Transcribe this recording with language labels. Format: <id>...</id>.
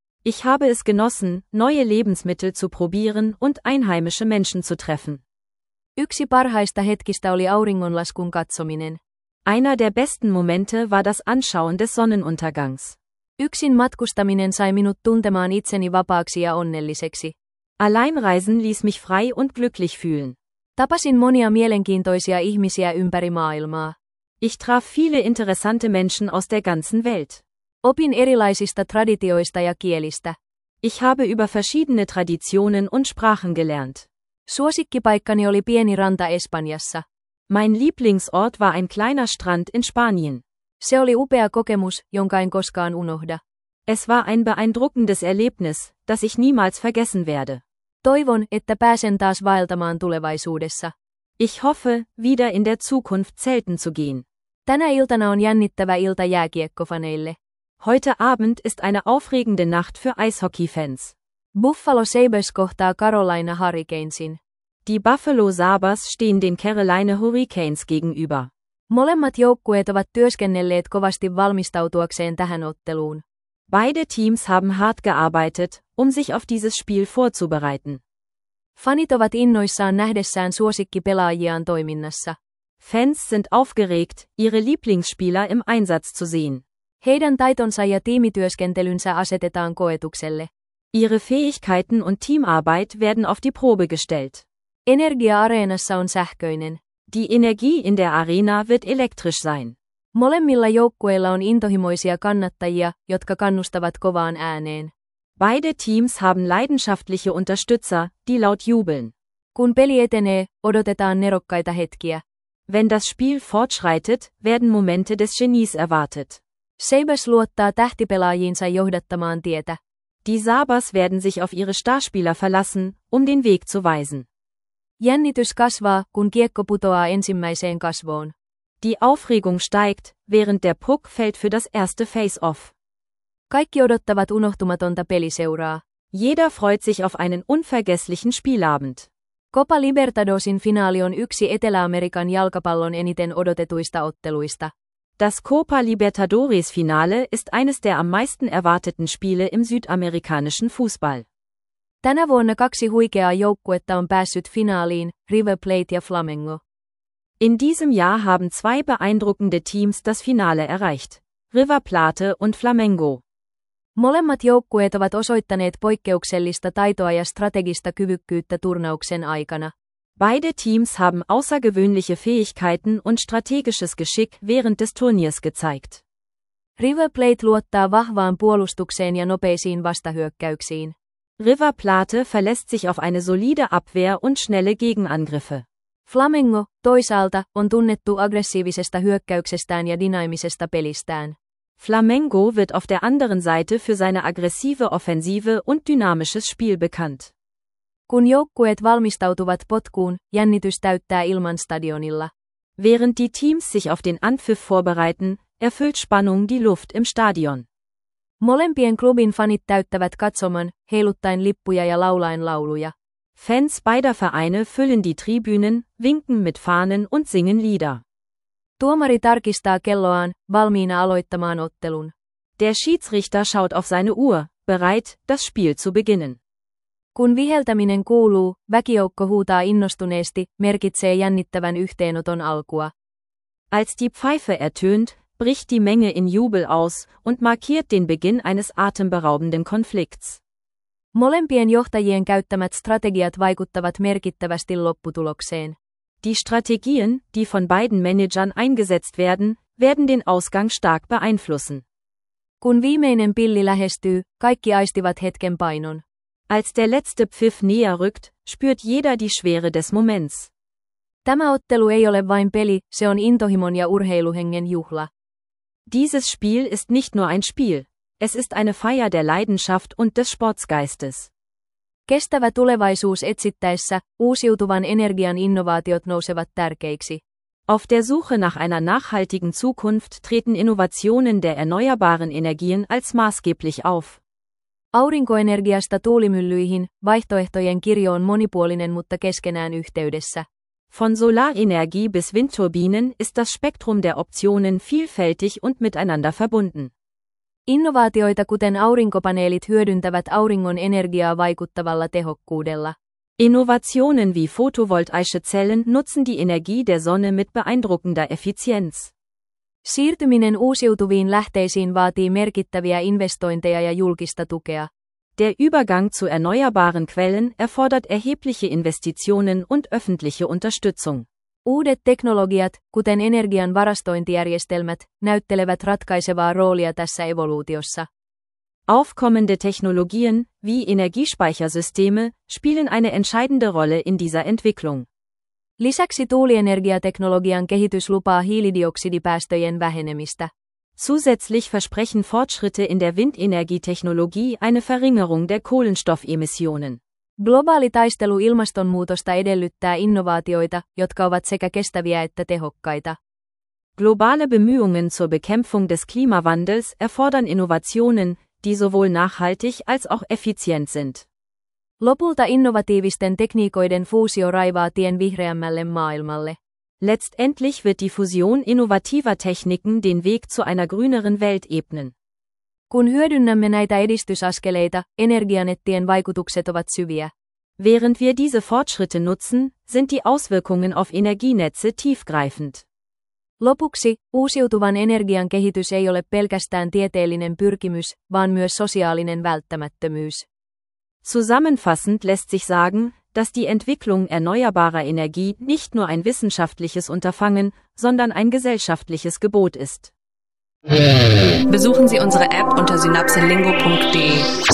<de>Ich habe es genossen, neue Lebensmittel zu probieren und einheimische Menschen zu treffen.</de> <fi>Yksi parhaista hetkistä oli auringonlaskun katsominen.</fi> <de>Einer der besten Momente war das Anschauen des Sonnenuntergangs.</de> <fi>Yksin matkustaminen sai minut tuntemaan itseni vapaaksi ja onnelliseksi.</fi> <de>Alleinreisen ließ mich frei und glücklich fühlen.</de> <fi>Tapasin monia mielenkiintoisia ihmisiä ympäri maailmaa.</fi> <de>Ich traf viele interessante Menschen aus der ganzen Welt.</de> <fi>Opin erilaisista traditioista ja kielistä.</fi> <de>Ich habe über verschiedene Traditionen und Sprachen gelernt.</de> <fi>Suosikkipaikkani oli pieni ranta Espanjassa.</fi> <de>Mein Lieblingsort war ein kleiner Strand in Spanien.</de> <fi>Se oli upea kokemus, jonka en koskaan unohda.</fi> <de>Es war ein beeindruckendes Erlebnis, das ich niemals vergessen werde.</de> <fi>Toivon, että pääsen taas vaeltamaan tulevaisuudessa.</fi> <de>Ich hoffe, wieder in der Zukunft zelten zu gehen.</de> <fi>Tänä iltana on jännittävä ilta jääkiekkofaneille.</fi> <de>Heute Abend ist eine aufregende Nacht für Eishockey-Fans.</de> <fi>Buffalo Sabres kohtaa Carolina Hurricanesin.</fi> <de>Die Buffalo Sabres stehen den Carolina Hurricanes gegenüber.</de> <fi>Molemmat joukkueet ovat työskennelleet kovasti valmistautuakseen tähän otteluun.</fi> <de>Beide Teams haben hart gearbeitet, um sich auf dieses Spiel vorzubereiten.</de> <fi>Fanit ovat innoissaan nähdessään suosikkipelaajiaan toiminnassa.</fi> <de>Fans sind aufgeregt, ihre Lieblingsspieler im Einsatz zu sehen.</de> <fi>Heidän taitonsa ja tiimityöskentelynsä asetetaan koetukselle.</fi> <de>Ihre Fähigkeiten und Teamarbeit werden auf die Probe gestellt.</de> <fi>Energia-areenassa on sähköinen.</fi> <de>Die Energie in der Arena wird elektrisch sein.</de> <fi>Molemmilla joukkueilla on intohimoisia kannattajia, jotka kannustavat kovaan ääneen.</fi> <de>Beide Teams haben leidenschaftliche Unterstützer, die laut jubeln.</de> <fi>Kun peli etenee, odotetaan nerokkaita hetkiä.</fi> <de>Wenn das Spiel fortschreitet, werden Momente des Genies erwartet.</de> <fi>Sabres luottaa tähtipelaajiinsa johdattamaan tietä.</fi> <de>Die Sabres werden sich auf ihre Starspieler verlassen, um den Weg zu weisen.</de> <fi>Jännitys kasvaa, kun kiekko putoaa ensimmäiseen kasvoon.</fi> <de>Die Aufregung steigt, während der Puck fällt für das erste Face-off.</de> <fi>Kaikki odottavat unohtumatonta peliseuraa.</fi> <de>Jeder freut sich auf einen unvergesslichen Spielabend.</de> <fi>Copa Libertadosin finaali on yksi Etelä-Amerikan jalkapallon eniten odotetuista otteluista.</fi> <de>Das Copa Libertadores Finale ist eines der am meisten erwarteten Spiele im südamerikanischen Fußball.</de> <fi>Tänä vuonna kaksi huikeaa joukkuetta on päässyt finaaliin, River Plate ja Flamengo.</fi> <de>In diesem Jahr haben zwei beeindruckende Teams das Finale erreicht. River Plate und Flamengo.</de> <fi>Molemmat joukkueet ovat osoittaneet poikkeuksellista taitoa ja strategista kyvykkyyttä turnauksen aikana.</fi> <de>Beide Teams haben außergewöhnliche Fähigkeiten und strategisches Geschick während des Turniers gezeigt.</de> <fi>River Plate luottaa vahvaan puolustukseen ja nopeisiin vastahyökkäyksiin.</fi> <de>River Plate verlässt sich auf eine solide Abwehr und schnelle Gegenangriffe.</de> <fi>Flamengo, toisaalta, on tunnettu aggressiivisesta hyökkäyksestään ja dynaamisesta pelistään.</fi> <de>Flamengo wird auf der anderen Seite für seine aggressive Offensive und dynamisches Spiel bekannt.</de> <fi>Kun joukkueet valmistautuvat potkuun, jännitys täyttää ilman stadionilla.</fi> <de>Während die Teams sich auf den Anpfiff vorbereiten, erfüllt Spannung die Luft im Stadion.</de> <fi>Molempien klubin fanit täyttävät katsoman, heiluttaen lippuja ja laulaen lauluja.</fi> <de>Fans beider Vereine füllen die Tribünen, winken mit Fahnen und singen Lieder.</de> <fi>Tuomari tarkistaa kelloaan, valmiina aloittamaan ottelun.</fi> <de>Der Schiedsrichter schaut auf seine Uhr, bereit, das Spiel zu beginnen.</de> <fi>Kun viheltäminen kuuluu, väkijoukko huutaa innostuneesti, merkitsee jännittävän yhteenoton alkua.</fi> <de>Als die Pfeife ertönt, bricht die Menge in Jubel aus und markiert den Beginn eines atemberaubenden Konflikts.</de> <fi>Molempien johtajien käyttämät strategiat vaikuttavat merkittävästi lopputulokseen.</fi> <de>Die Strategien, die von beiden Managern eingesetzt werden, werden den Ausgang stark beeinflussen.</de> <fi>Kun viimeinen pilli lähestyy, kaikki aistivat hetken painon.</fi> <de>Als der letzte Pfiff näher rückt, spürt jeder die Schwere des Moments.</de> <fi>Tämä ottelu ei ole vain peli, se on intohimon ja urheiluhengen juhla.</fi> <de>Dieses Spiel ist nicht nur ein Spiel. Es ist eine Feier der Leidenschaft und des Sportsgeistes.</de> <fi>Kestävä tulevaisuus etsittäessä, uusiutuvan energian innovaatiot nousevat tärkeiksi.</fi> <de>Auf der Suche nach einer nachhaltigen Zukunft treten Innovationen der erneuerbaren Energien als maßgeblich auf.</de> <fi>Aurinkoenergiasta tuulimyllyihin, vaihtoehtojen kirjo on monipuolinen mutta keskenään yhteydessä.</fi> <de>Von Solarenergie bis Windturbinen ist das Spektrum der Optionen vielfältig und miteinander verbunden.</de> <fi>Innovaatioita kuten aurinkopaneelit hyödyntävät auringon energiaa vaikuttavalla tehokkuudella.</fi> <de>Innovationen wie photovoltaische Zellen nutzen die Energie der Sonne mit beeindruckender Effizienz.</de> <fi>Siirtyminen uusiutuviin lähteisiin vaatii merkittäviä investointeja ja julkista tukea.</fi> <de>Der Übergang zu erneuerbaren Quellen erfordert erhebliche Investitionen und öffentliche Unterstützung.</de> <fi>Uudet teknologiat, kuten energian varastointijärjestelmät, näyttelevät ratkaisevaa roolia tässä evoluutiossa.</fi> <de>Aufkommende Technologien, wie Energiespeichersysteme, spielen eine entscheidende Rolle in dieser Entwicklung.</de> <fi>Lisäksi tuulienergiateknologian kehitys lupaa hiilidioksidipäästöjen vähenemistä.</fi> <de>Zusätzlich versprechen Fortschritte in der Windenergietechnologie eine Verringerung der Kohlenstoffemissionen.</de> <fi>Globaali taistelu ilmastonmuutosta edellyttää innovaatioita, jotka ovat sekä kestäviä että tehokkaita.</fi> <de>Globale Bemühungen zur Bekämpfung des Klimawandels erfordern Innovationen, die sowohl nachhaltig als auch effizient sind.</de> <fi>Lopulta innovatiivisten tekniikoiden fuusio raivaa tien vihreämmälle maailmalle.</fi> <de>Letztendlich wird die Fusion innovativer Techniken den Weg zu einer grüneren Welt ebnen.</de> <fi>Kun hyödynnämme näitä edistysaskeleita, energianettien vaikutukset ovat syviä.</fi> <de>Während wir diese Fortschritte nutzen, sind die Auswirkungen auf Energienetze tiefgreifend.</de> <fi>Lopuksi, uusiutuvan energian kehitys ei ole pelkästään tieteellinen pyrkimys, vaan myös sosiaalinen välttämättömyys.</fi> <de>Zusammenfassend lässt sich sagen, dass die Entwicklung erneuerbarer Energie nicht nur ein wissenschaftliches Unterfangen, sondern ein gesellschaftliches Gebot ist. Besuchen Sie unsere App unter synapsenlingo.de.</de>